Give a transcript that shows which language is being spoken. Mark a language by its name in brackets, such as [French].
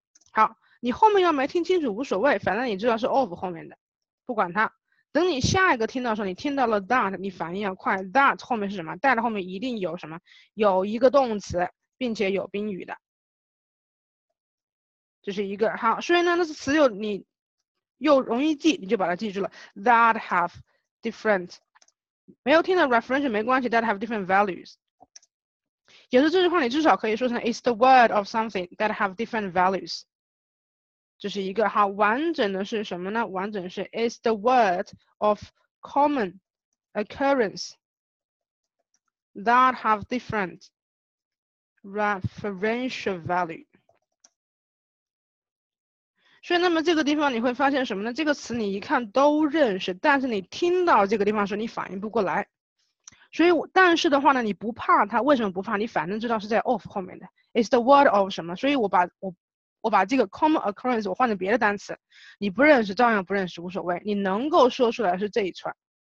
[Chinese] 好，你后面要没听清楚无所谓，反正你知道是 of 后面的，不管它。等你下一个听到的时候，你听到了 that， 你反应要快。that 后面是什么？ that 后面一定有什么，有一个动词并且有宾语的，这是一个。好，所以呢那词又你又容易记，你就把它记住了。 [English] that have different， [Chinese] 没有听到 reference 没关系， [English] that have different values， [Chinese] 也是这句话你至少可以说成 [English] is the word of something that have different values， [Chinese] 这是一个。好，完整的是什么呢？完整是 [English] is the word of common occurrence that have different referential value。 [Chinese] 所以那么这个地方你会发现什么呢？这个词你一看都认识，但是你听到这个地方说你反应不过来。所以但是的话呢，你不怕它，为什么不怕？你反正知道是在 of 后面的， [English] is the word of [Chinese] 什么。所以我把这个 [English] common occurrence [Chinese] 我换成别的单词，你不认识照样不认识无所谓，你能够说出来是这一串。